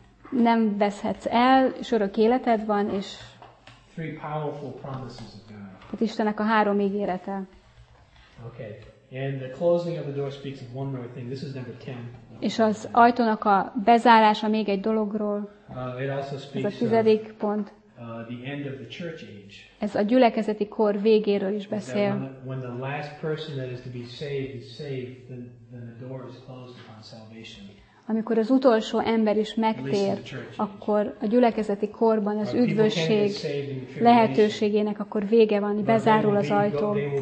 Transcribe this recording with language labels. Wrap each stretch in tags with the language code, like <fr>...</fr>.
<hu>Nem veszhetsz el, és örök életed van, és...</hu> <en>Three powerful promises of God.</en> <hu>Tehát Istennek a három ígérete.</hu> <en>Okay. And the closing of the door speaks of one more thing. This is number 10.</en> <hu>És az ajtónak a bezárása még egy dologról.</hu> <en>It also speaks</en> <hu>ez a tizedik pont.</hu> <en>The end of the church age.</en> <hu>Ez a gyülekezeti kor végéről is beszél.</hu> <en>When the last person that is to be saved is saved, then the door is closed upon salvation.</en> <hu>Amikor az utolsó ember is megtér, akkor a gyülekezeti korban az üdvösség lehetőségének akkor vége van, bezárul az ajtó.</hu>